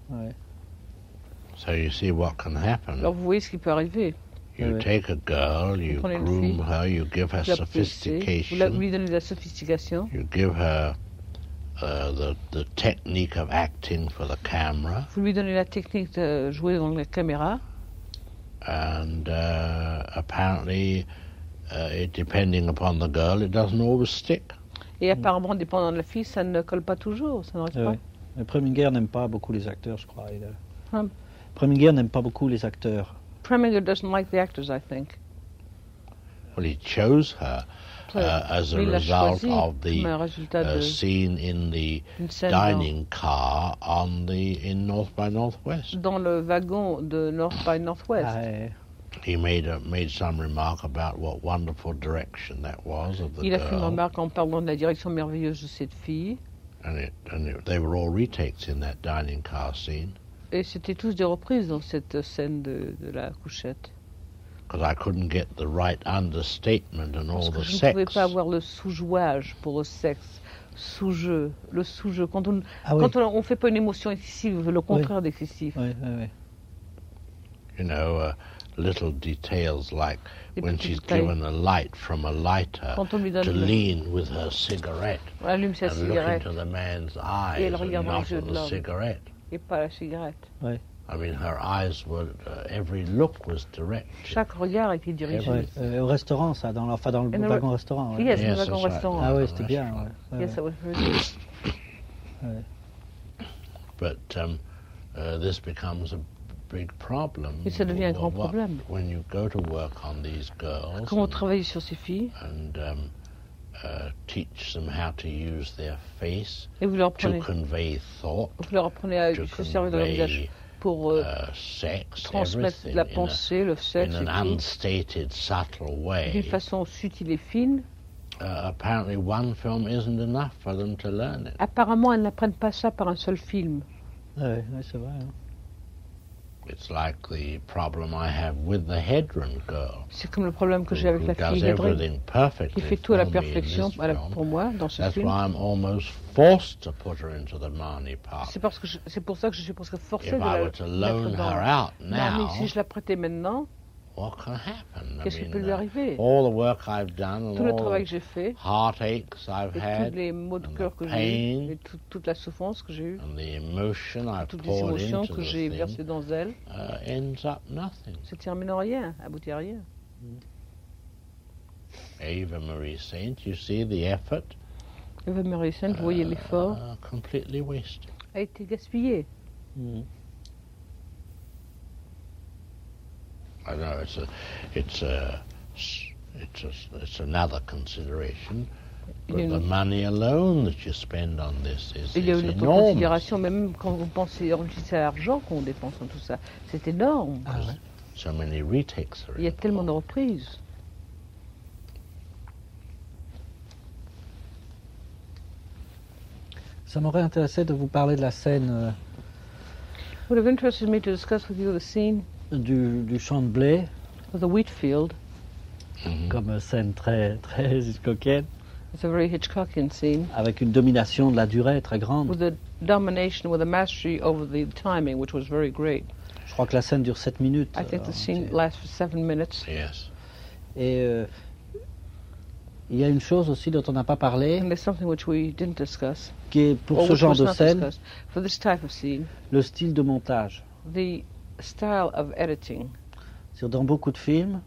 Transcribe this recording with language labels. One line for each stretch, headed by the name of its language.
French: Ouais.
English: So you see what can happen.
French: Alors vous voyez ce qui peut arriver.
English: You take a girl, you groom her, you give her sophistication.
French: Vous lui donnez la sophistication.
English: You give her the technique of acting for the camera.
French: Vous lui donnez la technique de jouer dans la caméra.
English: And apparently, depending upon the girl, it doesn't always stick.
French: Et apparemment, dépendant de la fille, ça ne colle pas toujours, ça n'arrive pas. Le Preminger n'aime pas beaucoup les acteurs, je crois. Preminger n'aime pas beaucoup les acteurs.
English: Preminger doesn't like the actors, I think. Well, he chose her as a result of the scene in the dining car in North by Northwest.
French: Dans le wagon de North by Northwest.
English: He made some remark about what wonderful direction that was of the girl.
French: Il a fait une remarque en parlant de la direction merveilleuse de cette fille.
English: And they were all retakes in that dining car scene.
French: Et c'était tous des reprises dans cette scène de la couchette.
English: Because I couldn't get the right understatement and all the sex.
French: Parce que je ne pouvais pas avoir le sous-jouage pour le sexe, sous-jeu, le sous-jeu. Quand on ne fait pas une émotion excessive, le contraire d'excessif. Oui, oui, oui.
English: You know, little details like when she's given a light from a lighter to lean with her cigarette and look into the man's eyes and not on the cigarette.
French: Et pas la cigarette. Oui.
English: I mean, her eyes were. Every look was directed.
French: Chaque regard était dirigé. Oui. Au restaurant, ça, dans le wagon restaurant. Oui,
English: yes,
French: le wagon restaurant.
English: Right.
French: Ah oui, c'était bien.
English: Yes, That was really.
French: Ouais.
English: But this becomes a big problem.
French: Et ça devient un grand problème.
English: When you go to work on these girls.
French: Quand on travaille sur ces filles.
English: And teach them how to use their face
French: et vous leur apprenez,
English: to convey thought,
French: vous leur apprenez à
English: to
French: se servir de leur visage pour
English: sex,
French: transmettre la pensée, le sexe,
English: in an unstated, subtle way.
French: D'une façon subtile et fine.
English: Apparently, one film isn't enough for them to learn it.
French: Apparemment, elles n'apprennent pas ça par un seul film. Oui, ouais, c'est vrai. Hein.
English: It's like the problem I have with the Hedren girl.
French: C'est comme le problème que j'ai avec la fille Hedren. Qui fait tout à la perfection pour moi dans ce film.
English: That's why I'm almost forced to put her into the Marnie part.
French: C'est pour ça que je suis presque forcé de la mettre dans. Marnie, si je la prêtais maintenant.
English: What can happen?
French: Qu'est-ce qui peut lui arriver?
English: All the work I've done,
French: tout le travail que j'ai fait,
English: heartaches I've had,
French: tous les maux de cœur que j'ai eu, et toute la souffrance que j'ai eue,
English: and the emotion I've
French: toutes les émotions
English: poured into
French: que j'ai versées dans elle,
English: ends up nothing.
French: Ça termine en rien, aboutit à rien.
English: Ava Marie Saint, you see the effort.
French: Ava Marie Saint, vous voyez l'effort.
English: Completely wasted.
French: A été gaspillé.
English: I know it's another consideration, but the money alone that you spend on this is enormous.
French: Il y a une autre considération, même quand vous pensez à l'argent qu'on dépense en tout ça, c'est énorme.
English: So many retakes are
French: il y a tellement de reprises. Ça m'aurait intéressé de vous parler de la scène.
English: Would have interested me to discuss with you the scene.
French: Du champ de blé,
English: the wheat field,
French: comme scène très hitchcockienne.
English: It's a very Hitchcockian scene.
French: Avec une domination de la durée très grande.
English: With a domination, with a mastery over the timing, which was very great.
French: Je crois que la scène dure 7 minutes.
English: I think the scene lasts for 7 minutes. Yes.
French: Et il y a une chose aussi dont on n'a pas parlé.
English: And there's something which we didn't discuss.
French: Qui est pour ce genre de scène.
English: For this type of scene.
French: Le style de montage.
English: The style of editing.
French: C'est dans beaucoup de films.